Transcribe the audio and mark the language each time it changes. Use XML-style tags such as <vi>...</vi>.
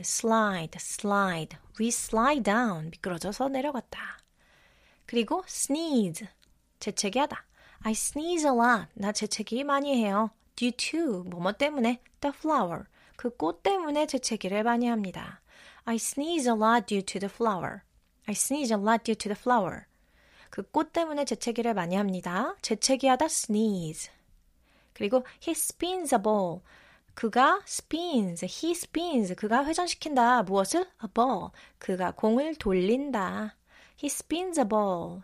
<en>slide, slide. We slide down.</en> <ko>미끄러져서 내려갔다.</ko> <en>그리고 sneeze.</en> <ko>재채기하다.</ko> <en>I sneeze a lot.</en> <ko>나 재채기 많이 해요.</ko> <en>Due to</en> <ko>뭐뭐 때문에</ko> <en>the flower.</en> <ko>그 꽃 때문에 재채기를 많이 합니다.</ko> <en>I sneeze a lot due to the flower. I sneeze a lot due to the flower.</en> <ko>그 꽃 때문에 재채기를 많이 합니다. 재채기하다</ko> <en>sneeze. 그리고 he spins a ball. 그가 spins, he spins.</en> <ko>그가 회전시킨다. 무엇을?</ko> <en>A ball.</en> <ko>그가 공을 돌린다.</ko> <en>He spins a ball.</en>